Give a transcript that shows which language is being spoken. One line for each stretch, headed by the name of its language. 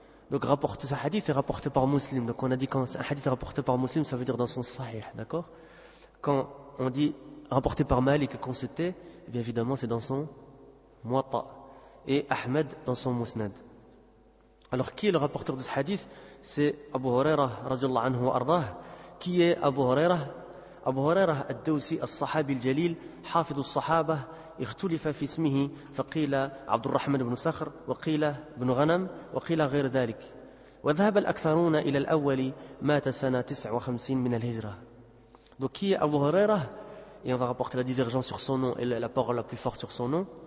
French: Donc rapporte ce hadith est rapporté par Muslim. Donc on a dit quand un hadith est rapporté par Muslim, ça veut dire dans son sahih, d'accord. Quand on dit rapporté par Malik, qu'on se tait, bien évidemment c'est dans son Muwatta, et Ahmed dans son Musnad. Alors qui est le rapporteur de ce hadith? C'est Abu Huraira radiallahu anhu wa ardah. Qui est Abu Huraira?
Arabic: أبو هريرة الدوسي الصحابي الجليل حافظ الصحابة اختلف في اسمه فقيل عبد الرحمن بن صخر وقيل بن غنم وقيل غير ذلك وذهب الأكثرون إلى الأول مات سنة 59 من الهجرة.
French: Donc qui est Abu Huraira? Et on va rapporter la divergence sur son nom et la parole la plus forte sur son nom.